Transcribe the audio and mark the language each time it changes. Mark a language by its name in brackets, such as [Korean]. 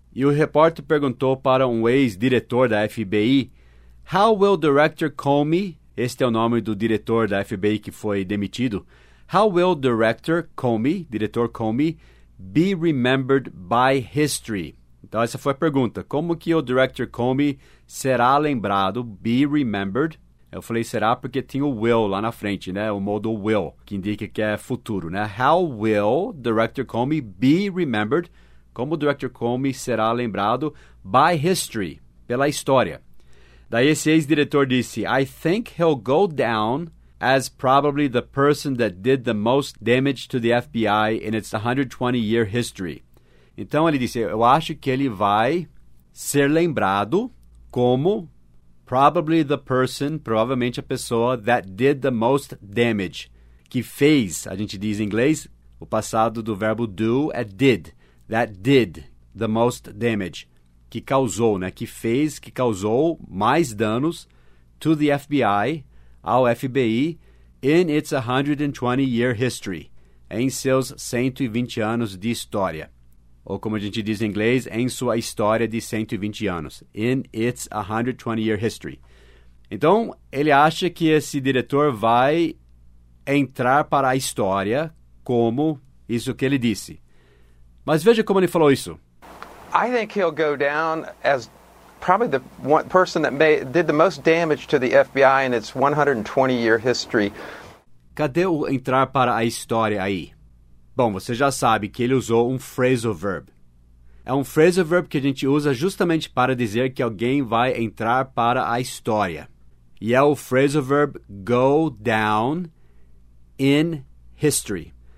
[Portuguese] E o repórter perguntou para um ex-diretor da FBI, [English] How will Director Comey, [Portuguese] este é o nome do diretor da FBI que foi demitido, How will Director Comey, diretor Comey, [English] be remembered by history? [Portuguese] Então essa foi a pergunta, como que o Director Comey será lembrado, [English] be remembered? [Portuguese] Eu falei será porque tem o will lá na frente, né? O modo will, que indica que é futuro, né? [English] How will Director Comey be remembered? [Portuguese] Como o Director Comey será lembrado [English] by history, [Portuguese] pela história. Daí esse ex-diretor disse, [English] I think he'll go down as probably the person that did the most damage to the FBI in its 120-year history. [Portuguese] Então ele disse, eu acho que ele vai ser lembrado como [English] probably the person, [Portuguese] provavelmente a pessoa, [English] that did the most damage, [Portuguese] que fez, a gente diz em inglês, o passado do verbo do é did. [English] That did the most damage, [Portuguese] que causou, né? Que fez, que causou mais danos [English] to the FBI, [Portuguese] ao FBI, [English] in its 120-year history, [Portuguese] em seus 120 anos de história. Ou como a gente diz em inglês, em sua história de 120 anos, [English] in its 120-year history. [Portuguese] Então, ele acha que esse diretor vai entrar para a história como isso que ele disse. Mas veja como ele falou isso. [English] I think he'll go down as probably the one person that did the most damage to the FBI in its 120-year history. [Portuguese] Cadê o entrar para a história aí? Bom, você já sabe que ele usou um phrasal verb. É um phrasal verb que a gente usa justamente para dizer que alguém vai entrar para a história. E é o phrasal verb go down in history.